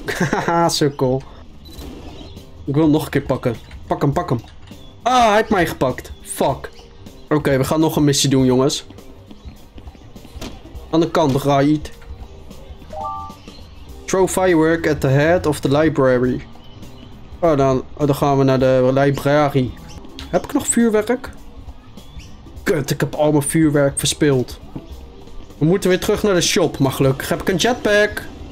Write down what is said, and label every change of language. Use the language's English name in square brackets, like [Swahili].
[Dutch] Haha, sukkel. Ik wil hem nog een keer pakken. Pak hem. Ah, hij heeft mij gepakt. Fuck. Oké, we gaan nog een missie doen, jongens. Aan de kant, right. [English] Throw firework at the head of the library. [Dutch] Dan gaan we naar de library. Heb ik nog vuurwerk? Kut, ik heb al mijn vuurwerk verspild. We moeten weer terug naar de shop, maar gelukkig heb ik een jetpack.